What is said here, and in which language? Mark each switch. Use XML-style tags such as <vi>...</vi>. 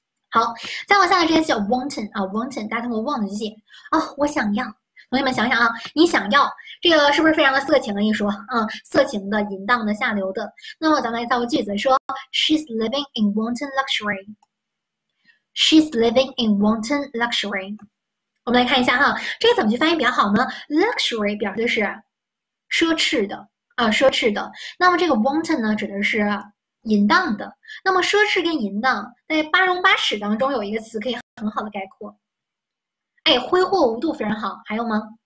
<zh>好，再往下的这些叫 wanton 啊，wanton 大家通过 want 去写啊，我想要。同学们想想啊，你想要这个是不是非常的色情啊？一说啊，色情的、淫荡的、下流的。那么咱们来造个句子，说</zh> <en>She's living in wanton luxury. She's living in wanton luxury.</en> <zh>我们来看一下哈，这个怎么去翻译比较好呢？Luxury 表示的是奢侈的啊，奢侈的。那么这个 wanton 呢，指的是淫荡的。那么，奢侈跟淫荡在八荣八耻当中有一个词可以很好的概括。哎，挥霍无度非常好，还有吗？</zh>